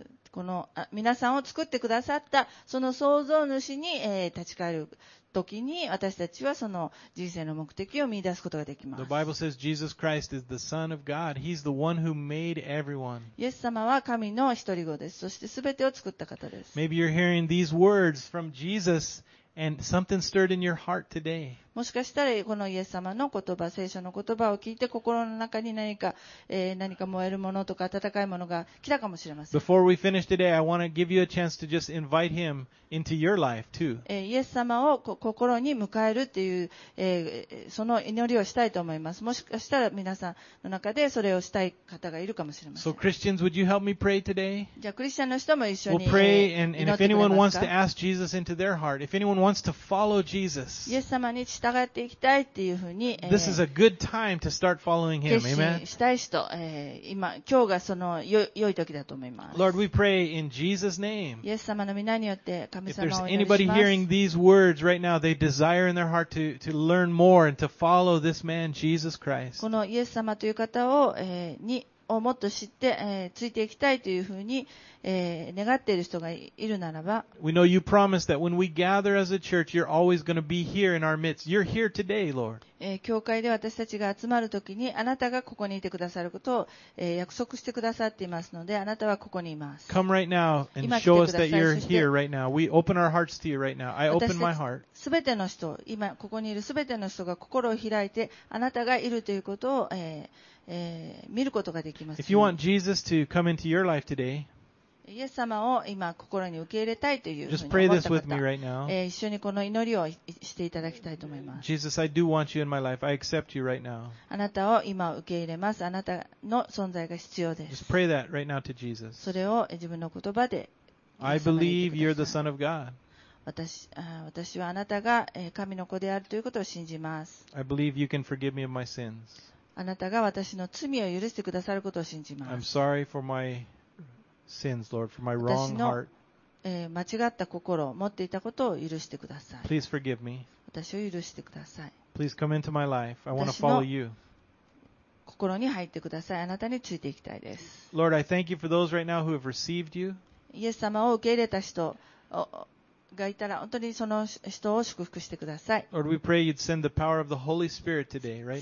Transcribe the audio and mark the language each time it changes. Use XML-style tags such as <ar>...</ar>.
<ja>この皆さんを作ってくださったその創造主に、立ち返るときに私たちはその人生の目的を見出すことができます。</ja> <en>The Bible says Jesus Christ is the Son of God. He's the one who made everyone.</en> <ja>イエス様は神の一人子です。そしてすべてを作った方です。</ja> <en>Maybe you're hearing these words from Jesus and something stirred in your heart today.</en> <ja>もしかしたらこのイエス様の言葉、聖書の言葉を聞いて心の中に何か燃えるものとか温かいものが来たかもしれません。</ja> <en>Before we finish today, I want to give you a chance to just invite him into your life too.</en> <ja>イエス様を心に迎えるっていう、その祈りをしたいと思います。もしかしたら皆さんの中でそれをしたい方がいるかもしれません。</ja> <en>So Christians, would you help me pray today?</en> <ja>じゃあクリスチャンの人も一緒に祈ってくれますか?</ja> <en>We'll pray, and if anyone wants to ask Jesus into their heart, if anyone wants to follow Jesus,</en> <ja>イエス様に従っていきたいっていうふうに。</ja> <en>This is a good time to start following him.</en> <ja>Amen. 決心したい人、今日がその良い時だと思います。</ja> <en>Lord, we pray in Jesus' name.</en> <ja>イエス様の皆によって神様をお祈りします。</ja> <en>If there's anybody hearing these words right now, they desire in their heart to learn more and to follow this man, Jesus Christ.</en> <ja>このイエス様という方を、をもっと知って、ついていきたいというふうに、願っている人がいるならば、</ja> <en>We know you promised that when we gather as a church, you're always going to be here in our midst. You're here today, Lord.</en> <ja>教会で私たちが集まるときに、あなたがここにいてくださることを、約束してくださっていますので、あなたはここにいます。</ja> <en>Come right now and show us that you're here right now. We open our hearts to you right now. I open my heart.</en> <ja>全ての人、今ここにいる全ての人が心を開いて、あなたがいるということを、見ることができます。</ja> <en>If you want Jesus to come into your life today,</en> <ja>イエス様を今心に受け入れたいというふうに思った方、</ja> <en>Just pray this with me right now.</en> <ja>一緒にこの祈りをしていただきたいと思います。</ja> <en>Jesus, I do want you in my life. I accept you right now.</en> <ja>あなたを今受け入れます。あなたの存在が必要です。</ja> <en>Just pray that right now to Jesus.</en> <ja>それを自分の言葉で。</ja> <en>I believe you're the Son of God.</en> <ja>私はあなたが神の子であるということを信じます。</ja> <en>I believe you can forgive me of my sins.</en> <ja>あなたが私の罪を許してくださることを信じます。</ja> <en>I'm sorry for my sins, Lord, for my wrong heart.</en> <ja>私の、間違った心を持っていたことを許してください。</ja> <en>Please forgive me.</en> <ja>私を許してください。</ja> <en>Please come into my life. I want to follow you.</en> <ja>心心に入ってください。あなたについていきたいです。</ja> <en>Lord, I thank you for those right now who have received you.</en> <ja>イエス様を受け入れた人がいたら、本当にその人を祝福してください。</ja> <en>Lord, we pray you'd send the power of the Holy Spirit today, right now, in Jesus' name.</en>